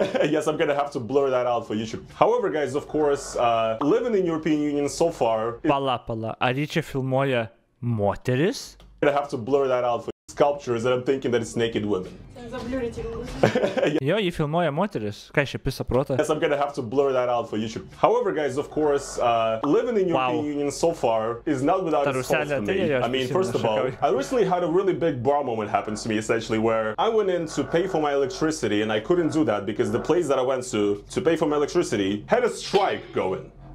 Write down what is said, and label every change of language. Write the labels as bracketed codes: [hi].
[en] Yes, I'm gonna have to blur that out for YouTube. However, guys, of course, living in European Union so far... [lt] Pala, ar jie čia filmuoja moteris? [en] I'm gonna have to blur that out for sculptures and I'm thinking that it's naked women. [lt] Jo, jie filmuoja moteris. Ką iš apie saprotą? [en] Yes, I'm gonna have to blur that out for YouTube. However, guys, of course, living in European Union so far is not without its faults for me. I mean, first of all, I recently had a really big bar moment happen to me, essentially, where I went in to pay for my electricity and I couldn't do that because the place that I went to pay for my electricity, had a strike going.